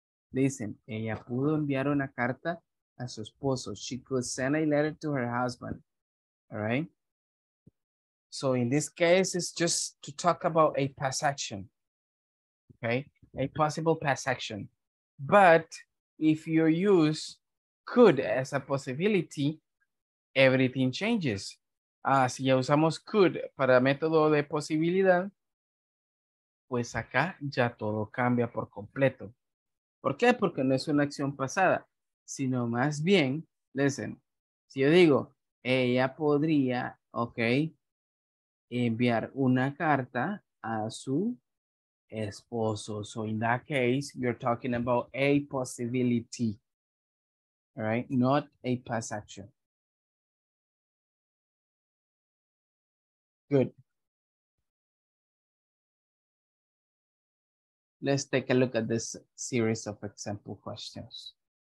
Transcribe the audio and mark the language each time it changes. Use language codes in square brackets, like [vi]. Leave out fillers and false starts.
[es] Dicen, ella pudo enviar una carta a su esposo. [en] She could send a letter to her husband. All right? So in this case, it's just to talk about a past action. Okay? A possible past action. But if you use could as a possibility, everything changes. [es] Si ya usamos could para método de posibilidad, pues acá ya todo cambia por completo. ¿Por qué? Porque no es una acción pasada, sino más bien, listen, si yo digo, ella podría, ok, enviar una carta a su esposo. [en] So in that case, you're talking about a possibility, right? Not a past action. Good. Let's take a look at this series of example questions.